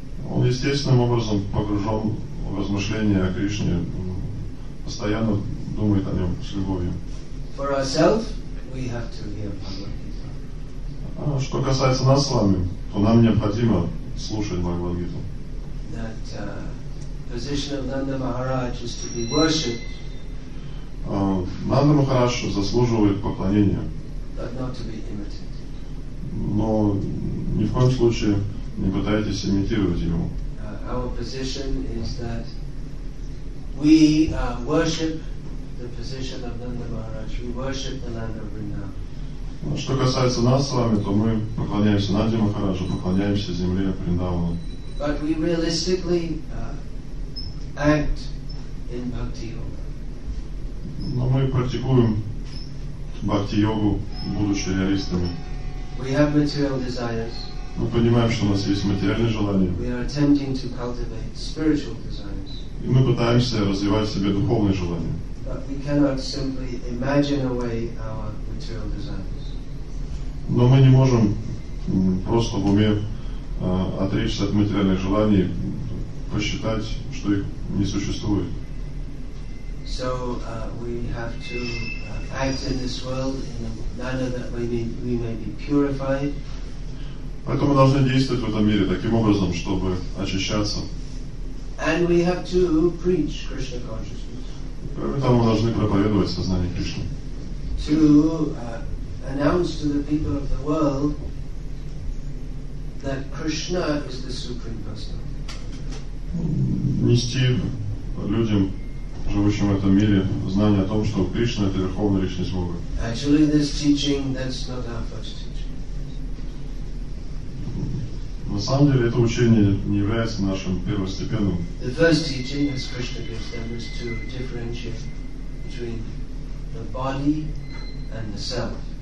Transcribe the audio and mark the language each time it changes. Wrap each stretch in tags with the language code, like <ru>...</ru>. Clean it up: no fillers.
<ru>Он естественным образом погружен в размышления о Кришне, постоянно думает о нем с любовью.</ru> <en>For ourselves, we have to hear Bhagavad Gita.</en> <ru>Что касается нас с вами, то нам необходимо слушать Бхагавад Гиту.</ru> <en>That position of Nanda Maharaj is to be worshipped.</en> <ru>Нанда Махарадж заслуживает поклонения.</ru> <en>But not to be imitated.</en> <ru>Но ни в коем случае не пытайтесь имитировать его.</ru> <en>Our position is that we worship the position of Nanda Maharaj. We worship the land of Vrindavan.</en> <ru>Что касается нас с вами, то мы поклоняемся Нанде Махараджу, поклоняемся земле Вриндавана.</ru> <en>But we realistically act in bhakti yoga.</en> <ru>Но мы практикуем бхакти-йогу, будучи реалистами.</ru> <en>We have material desires.</en> <ru>Мы понимаем, что у нас есть материальные желания.</ru> <en>We are attempting to cultivate spiritual desires.</en> <ru>И мы пытаемся развивать в себе духовные желания.</ru> <en>But we cannot simply imagine away our material desires.</en> <ru>Но мы не можем просто в уме отречься от материальных желаний, посчитать, что их не существует.</ru> <en>So we have to act in this world in a manner that we may be purified.</en> <ru>Поэтому мы должны действовать в этом мире таким образом, чтобы очищаться.</ru> <en>And we have to preach Krishna consciousness.</en> <ru>Поэтому мы должны проповедовать сознание Кришны.</ru> <en>To announce to the people of the world that Krishna is the supreme personality.</en> <ru>Нести людям, живущим в этом мире, знание о том, что Кришна — это Верховная Личность Бога.</ru> <en>Actually, this teaching, that's not our first teaching.</en> <ru>На самом деле, это учение не является нашим первостепенным.</ru> <en>The first teaching, as Krishna gives them, is to differentiate between the body and the self.</en>